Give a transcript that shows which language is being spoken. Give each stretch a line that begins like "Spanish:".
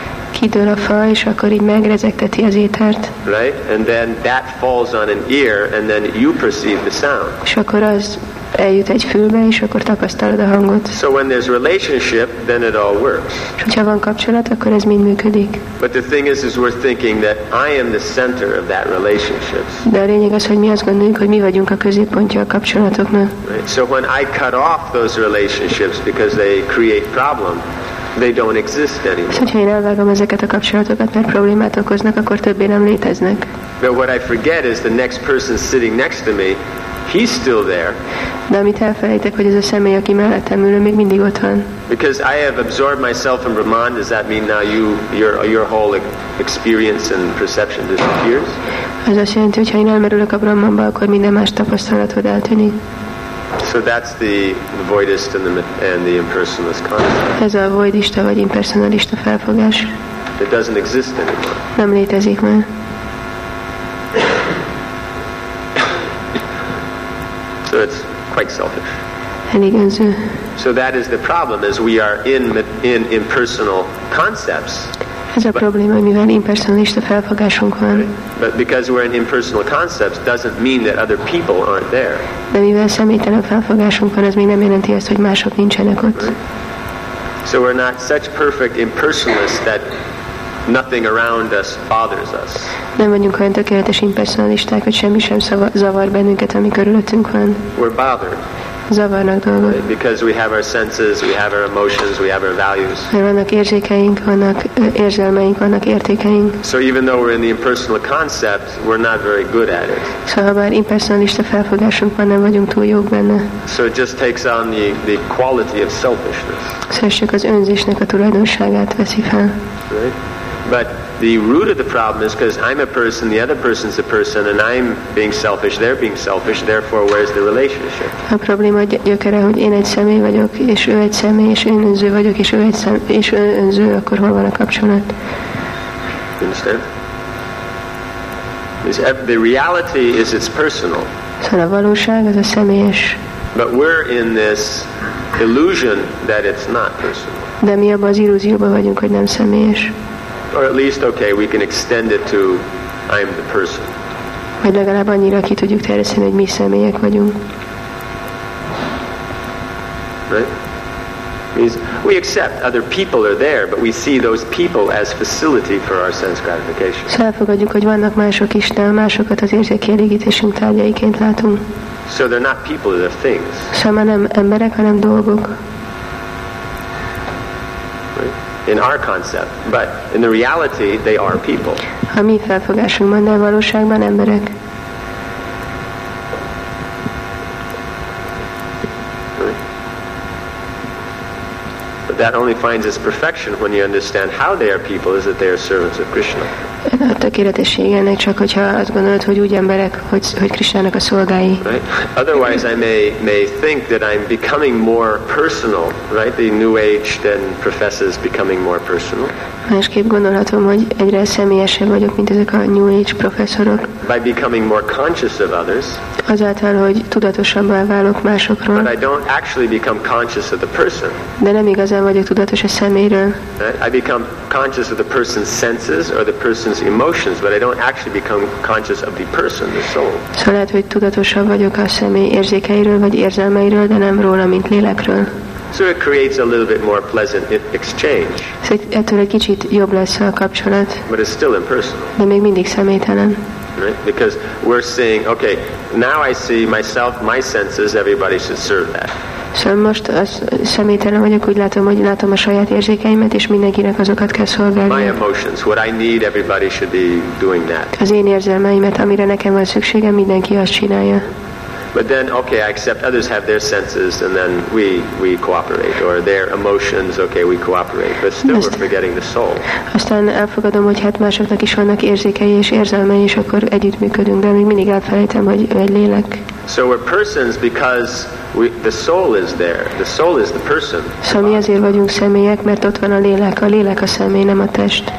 Hungarian: Kidől a fa, és akkor így megrezegteti az étert.
English: Right? And then that falls on an ear, and then you perceive the sound.
Hungarian: És akkor az eljut egy fülbe, és akkor tapasztalod a hangot.
English: So when there's relationship, then it all works.
Hungarian: És hogyha van kapcsolat, akkor ez mind működik.
English: But the thing is we're thinking that I am the center of that relationship.
Hungarian: De a lényeg az, hogy mi azt gondoljuk, hogy mi vagyunk a középpontja a kapcsolatoknak.
English: Right? So when I cut off those relationships because they create problem, they don't exist anymore.
Hungarian: Szóval, ha én elvágom ezeket a kapcsolatokat, mert problémát okoznak, akkor többé nem léteznek.
English: But what I forget is the next person sitting next to me, he's still there.
Hungarian: De amit elfelejtek, hogy ez a személy, aki mellettem ül, még mindig ott van.
English: Because I have absorbed myself in Brahman, does that mean now your whole experience and perception disappears?
Hungarian: Ez azt jelenti, hogy ha én elmerülök a Brahmanba, akkor minden más tapasztalatod eltűnik.
English: So that's the voidist and the impersonalist concept.
Hungarian: Ez a voidista vagy impersonalista felfogás.
English: It doesn't exist anymore.
Hungarian: Nem létezik már.
English: So it's quite selfish.
Hungarian: Elég önző.
English: So that is the problem, as we are in impersonal concepts.
Hungarian: Ez a probléma, mivel impersonalista felfogásunk van.
English: But because we're in impersonal concepts doesn't mean that other people aren't there.
Hungarian: De mivel személytelen felfogásunk van, ez még nem jelenti azt, hogy mások nincsenek ott.
English: So we're not such perfect impersonalists that nothing around us bothers us.
Hungarian: Nem vagyunk olyan tökéletes impersonalisták, hogy semmi sem zavar bennünket, ami körülöttünk van.
English: We're bothered.
Hungarian: Zavarnak dolgok.
English: Right? Because we have our senses, we have our emotions, we have our values.
Hungarian: Mert vannak érzékeink, vannak érzelmeink, vannak értékeink.
English: So even though we're in the impersonal concept, we're not very good at it.
Hungarian: Szóval, ha bár impersonalista felfogásunk van, nem vagyunk túl jók benne.
English: So it just takes on the quality of selfishness.
Hungarian: Szóval csak az önzésnek a tulajdonságát veszi fel.
English: Right? But the root of the problem is because I'm a person, the other person's a person, and I'm being selfish, they're being selfish, therefore where's the relationship?
Hungarian: A probléma gyökere, hogy én egy személy vagyok, és ő egy személy, és én önző vagyok, és ő egy személy, és ő önző, akkor hol van a kapcsolat?
English: You understand? The reality is it's personal.
Hungarian: Szóval a valóság az a személyes.
English: But we're in this illusion that it's not personal.
Hungarian: De mi abban az illúzióban vagyunk, hogy nem személyes.
English: Or at least, okay, we can extend it to I'm the person.
Hungarian: Vagy legalább annyira ki tudjuk terjeszteni, hogy mi személyek vagyunk.
English: Right? We accept other people are there, but we see those people as facility for our sense gratification.
Hungarian: Szóval elfogadjuk, hogy vannak mások is, de másokat az érzékelégítésünk tárgyaiként látunk.
English: So they're not people, they're things.
Hungarian: Szóval már nem emberek, hanem dolgok.
English: In our concept, but in the reality, they are people.
Hungarian: A mi felfogásunkban, de a valóságban emberek.
English: But that only finds its perfection when you understand how they are people, is that they are servants of Krishna.
Hungarian: A tökéletesség ennek csak, hogyha azt gondolod, hogy úgy emberek, hogy Krisnának a szolgái.
English: Right? Otherwise I may think that I'm becoming more personal, right? The New Age then professes becoming more personal.
Hungarian: Másképp gondolhatom, hogy egyre személyesebb vagyok, mint ezek a New Age professzorok.
English: By becoming more conscious of others.
Hungarian: Azáltal, hogy tudatosabbá válok másokról.
English: But I don't actually become conscious of the person.
Hungarian: De nem igazán vagyok tudatos a személyről.
English: Right? I become conscious of the person's senses or the person's emotions, but I don't actually become conscious of the person, the soul.
Hungarian: Szóval lehet, hogy tudatosabb vagyok a személy érzékeiről vagy érzelmeiről, de nem róla, mint lélekről.
English: So it creates a little bit more pleasant exchange.
Hungarian: Ettől egy kicsit jobb lesz a kapcsolat.
English: But it's still impersonal.
Hungarian: De még mindig személytelen.
English: Right? Because we're seeing, okay, now I see myself, my senses, everybody should serve that.
Hungarian: Szóval most az személytelen vagyok, úgy látom, hogy látom a saját érzékeimet, és mindenkinek azokat kell szolgálni.
English: My emotions, what I need, everybody should be doing that.
Hungarian: Az én érzelmeimet, amire nekem van szükségem, mindenki azt csinálja.
English: But then, okay, I accept others have their senses, and then we cooperate, or their emotions, okay, we cooperate, but still we're forgetting the soul.
Hungarian: Aztán elfogadom, hogy hát másoknak is vannak érzékei és érzelmei, és akkor együttműködünk, de még mindig elfelejtem, hogy ő egy lélek.
English: So we're persons because the soul is there. The soul is the person.
Hungarian: Szóval mi azért vagyunk személyek, mert ott van a lélek. A lélek a személy, nem a test.